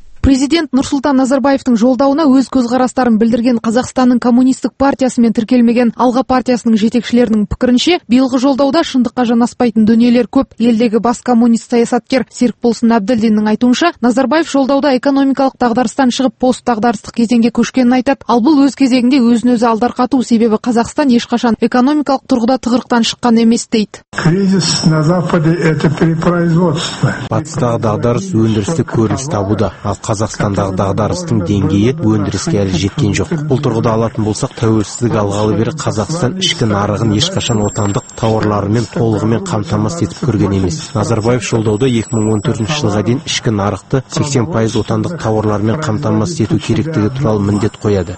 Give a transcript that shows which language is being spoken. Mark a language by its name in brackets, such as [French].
[Kazakh] Президент Нұрсұлтан Назарбаевтың жолдауына өз көзқарастарын білдірген Қазақстанның коммунистік партиясы мен тіркелмеген Алға партиясының жетекшілерінің пікірінше, биылғы жолдауда шындыққа жанаспайтын дүниелер көп. Елдегі бас коммунист саясаткер Серікболсын Әбділдиннің айтуынша, Назарбаев жолдауда экономикалық дағдарыстан шығып посттағдарыстық кезеңге көшкенін айтады. Ал бұл өз кезегінде өзін-өзі алдарқату, себебі Қазақстан ешқашан экономикалық тұрғыда тығырықтан шыққан емес, дейді. [Russian] Кризис на Западе это перепроизводство. [Kazakh] Батыстағы дағдарыс өндірістік көрініс табуда. Қазақстандағы дағдарыстың деңгейі өндіріске әлі жеткен жоқ. Бұл тұрғыда алатын болсақ, тәуелсіздік алғалы бері Қазақстан ішкі нарығын ешқашан отандық тауарларымен толығымен қамтамасыз етіп көрген емес. Назарбаев жолдауда 2014 жылға дейін ішкі нарықты 80% отандық тауарлармен қамтамасыз ету керектігі туралы міндет қояды.